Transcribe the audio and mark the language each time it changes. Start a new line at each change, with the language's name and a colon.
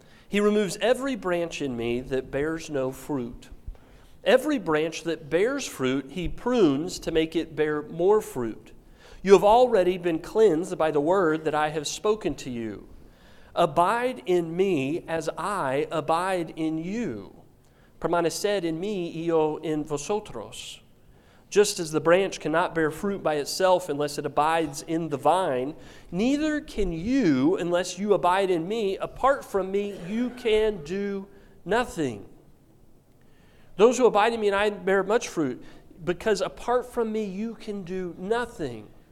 English: He removes every branch in me that bears no fruit. Every branch that bears fruit, he prunes to make it bear more fruit. You have already been cleansed by the word that I have spoken to you. Abide in me as I abide in you.
Spanish: Permaneced en mí y yo en vosotros.
English: Just as the branch cannot bear fruit by itself unless it abides in the vine, neither can you unless you abide in me. Apart from me, you can do nothing. Those who abide in me and I bear much fruit, because apart from me, you can do nothing.